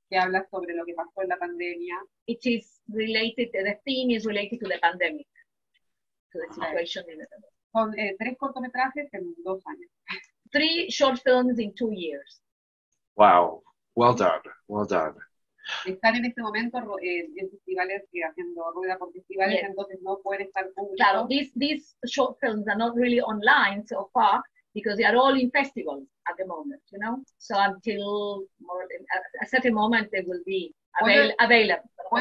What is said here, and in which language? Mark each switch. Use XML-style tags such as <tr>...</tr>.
<es>Que habla sobre lo que pasó en la pandemia.</es> <en>It is related, the theme is related to the pandemic. To the situation in the</en> <es>world. Con 3 cortometrajes en 2 años.</es> <en>3 short films in 2 years. Wow. Well done.</en> <es>Están en este momento en festivales y haciendo rueda por festivales,</es> <en>yes.</en> <es>Entonces no pueden estar publicados.</es> <en>Claro, these short films are not really online so far. Because they are all in festivals at the moment, you know? So until more than a certain moment, they will be available.</en>